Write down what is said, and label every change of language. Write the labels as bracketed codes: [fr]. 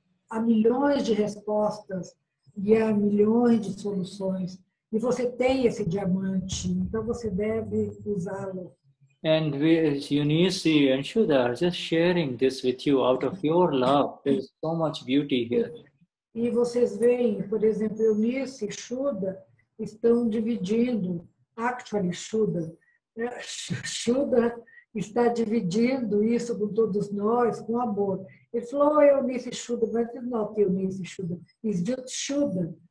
[pt] Há milhões de respostas e há milhões de soluções. E você tem esse diamante, então você deve usá-lo. [en] And Eunice and Shuddha are just sharing this with you out of your love. There's so much beauty here. [pt] E vocês veem, por exemplo, Eunice e Shuddha estão dividindo, actually Shuddha. Shuddha está dividindo isso com todos nós, com amor. Ele falou, Eunice e Shuddha, [en] but it's not Eunice e Shuddha. It's just Shuddha.